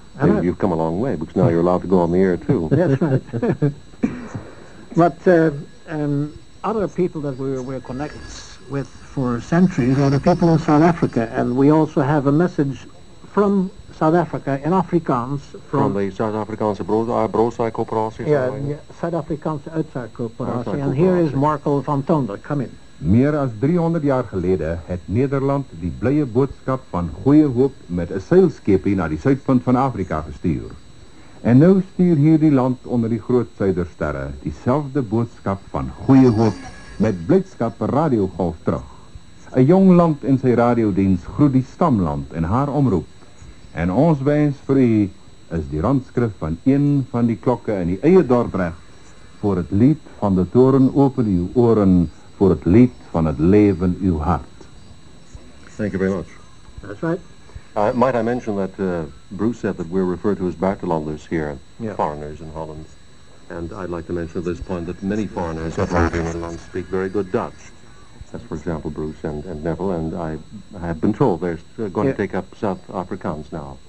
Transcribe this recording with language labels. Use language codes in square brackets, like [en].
[en] And well, you've come a long way, because now you're allowed to go on the air, too. That's right. But other people that we were connected with for centuries are the people in South Africa, and we also have a message from South Africa in Afrikaans. From the South Afrikaanse Broodzaakoperatie? Yeah, South Afrikaanse Uitzaakoperatie. And here is Marco van Tonder. Come in. [af] Meer as 300 jaar gelede het Nederland die blye boodskap van goeie hoop met 'n seilskepie na die suidpunt van Afrika gestuur. En nou stuur hierdie land onder die groot suidersterre dieselfde boodskap van goeie hoop met blydskap per radiogolf terug. 'N Jong land in sy radiodiens groet die stamland en haar omroep. En ons wens vir u is die randskrif van een van die klokke in die eie Dordrecht [nl] voor het lied van de toren open uw oren voor het lied van het leven uw hart. [en] Thank you very much. That's right. Might I mention that Bruce said that we're referred to as Bartelanders here, yeah. Foreigners in Holland. And I'd like to mention at this point that many foreigners in Holland speak very good Dutch. That's for example, Bruce and Neville, and I have been told they're going to take up South Afrikaans now.